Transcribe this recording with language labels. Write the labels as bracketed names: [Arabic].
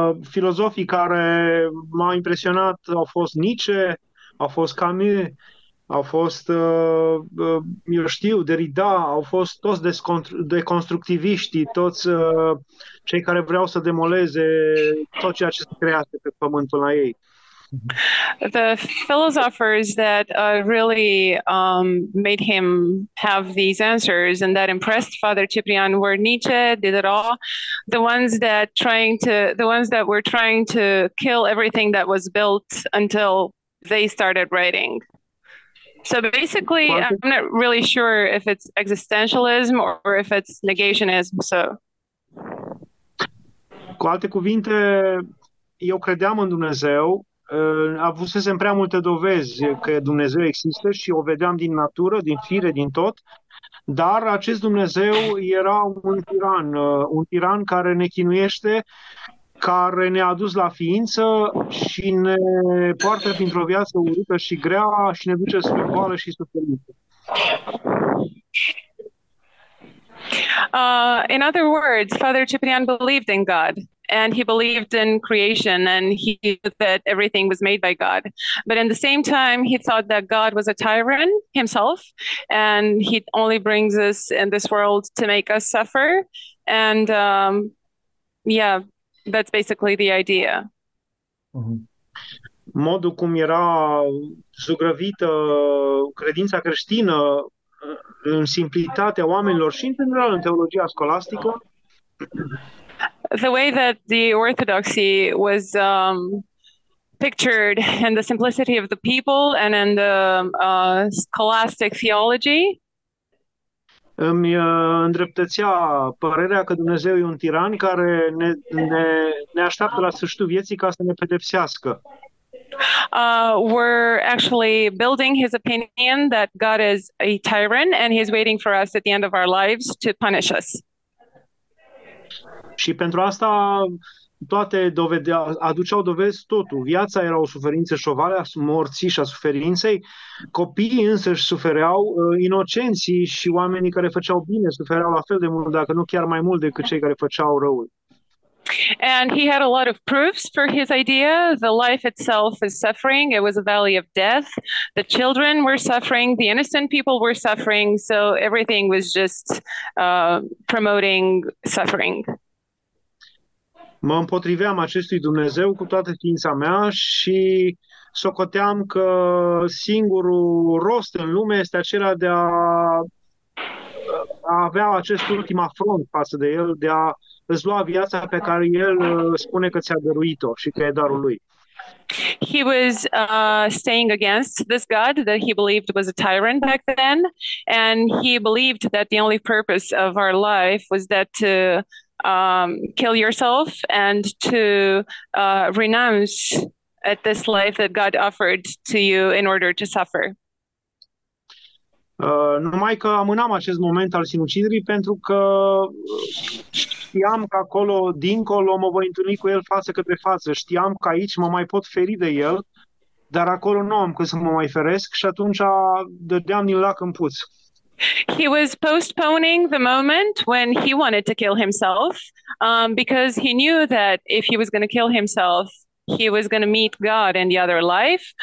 [Romanian] Filozofii care m-au impresionat au fost Nietzsche, au fost Camus, au fost, eu știu, Derrida, au fost toți deconstructiviștii, toți cei care vreau să demoleze tot ceea ce se crease pe pământ până la ei. [English] The philosophers that really made him have these answers and that impressed Father Cyprian were Nietzsche, Diderot, the ones that were trying to kill everything that was built until they started writing. So basically, I'm not really sure if it's existentialism or if it's negationism, so. [Romanian] Cu alte cuvinte, eu credeam în Dumnezeu, avusesem prea multe dovezi că Dumnezeu există și o vedeam din natură, din fire, din tot, dar acest Dumnezeu era un tiran care ne chinuiește, care ne-a adus la ființă și ne poartă printr-o viață urâtă și grea și ne duce spre boală și suferință. [English] In other words, Father Cyprian believed in God and he believed in creation and he knew that everything was made by God. But in the same time, he thought that God was a tyrant himself and he only brings us in this world to make us suffer. And yeah, that's basically the idea. [Romanian] Modul cum era zugrăvită credința creștină în simplitatea oamenilor și în general în teologia scolastică. [English] The way that the orthodoxy was pictured in the simplicity of the people and in the scholastic theology. [Romanian] Îmi îndreptățea părerea că Dumnezeu e un tiran care ne așteaptă la sfârșitul vieții ca să ne pedepsească. [English] We're actually building his opinion that God is a tyrant and he's waiting for us at the end of our lives to punish us. [Romanian] Și pentru asta toate dovedea, aduceau dovezi totul. Viața era o suferință și o vale a morții și a suferinței. Copiii însă își sufereau, inocenții și oamenii care făceau bine sufereau la fel de mult, dacă nu chiar mai mult decât cei care făceau răul. [English] And he had a lot of proofs for his idea. The life itself is suffering. It was a valley of death. The children were suffering. The innocent people were suffering. So everything was just promoting suffering. [Romanian] Mă împotriveam acestui Dumnezeu cu toată ființa mea și socoteam că singurul rost în lume este acela de a avea acest ultim afront față de el, de a îți lua viața pe care el spune că ți-a dăruit-o și că e darul lui. [English] He was staying against this God that he believed was a tyrant back then, and he believed that the only purpose of our life was that to kill yourself and to renounce at this life that God offered to you in order to suffer. [Romanian] Numai că amânam acest moment al sinuciderii pentru că știam că acolo, dincolo, mă voi întâlni cu el față către față. Știam că aici mă mai pot feri de el, dar acolo nu am cât să mă mai feresc și atunci dădeam din lac în puț. [English] He was postponing the moment when he wanted to kill himself because he knew that if he was going to kill himself, he was going to meet God in the other life.